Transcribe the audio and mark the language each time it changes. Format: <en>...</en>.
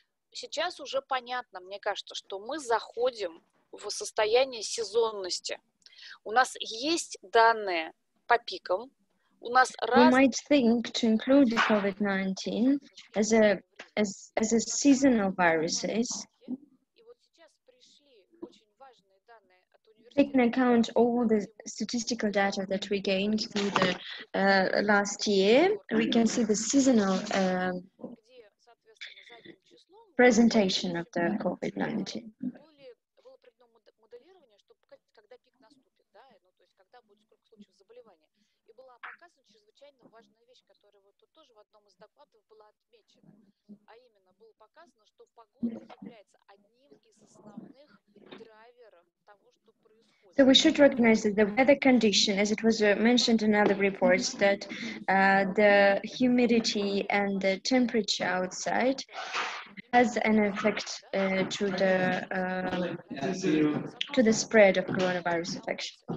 <ru>Сейчас уже понятно, мне кажется, что мы заходим в состояние сезонности. У нас есть данные по пикам. У нас</ru> <en>We might think to include COVID-19 as a seasonal viruses.</en> <ru>И вот сейчас пришли очень важные данные от университета.</ru> <en>Taking account all the statistical data that we gained through the last year, we can see the seasonal presentation of the COVID-19.</en> <ru>чрезвычайно важная вещь, которая вот тут тоже в одном из докладов была отмечена. А именно, было показано, что погода является одним из основных драйверов того, что происходит.</ru> <en>So we should recognize that the weather condition, as it was mentioned in other reports, that the humidity and the temperature outside has an effect to the spread of coronavirus infection.</en>